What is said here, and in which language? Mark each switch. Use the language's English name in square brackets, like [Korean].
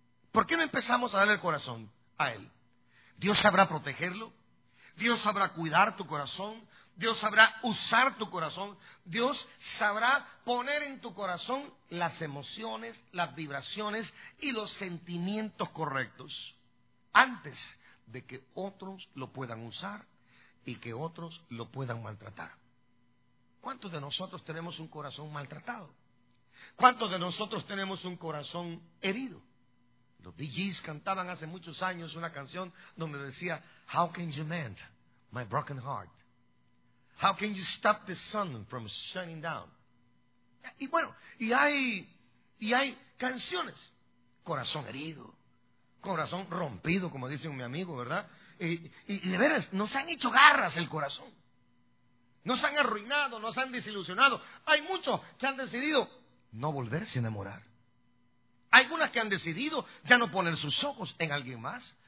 [Spanish] ¿Por qué no empezamos a darle el corazón a Él? Dios sabrá protegerlo, Dios sabrá cuidar tu corazón, Dios sabrá usar tu corazón, Dios sabrá poner en tu corazón las emociones, las vibraciones y los sentimientos correctos antes de que otros lo puedan usar y que otros lo puedan maltratar. ¿Cuántos de nosotros tenemos un corazón maltratado? ¿Cuántos de nosotros tenemos un corazón herido? Los Bee Gees cantaban hace muchos años una canción donde decía: [English] How can you mend my broken heart? How can you stop the sun from shining down? [Spanish] Y bueno, y hay canciones: corazón herido, corazón rompido, como dice mi amigo, ¿verdad? Y de veras, nos han hecho garras el corazón. Nos han arruinado, nos han desilusionado. Hay muchos que han decidido no volverse a enamorar. Algunas que han decidido ya no poner sus ojos en alguien más.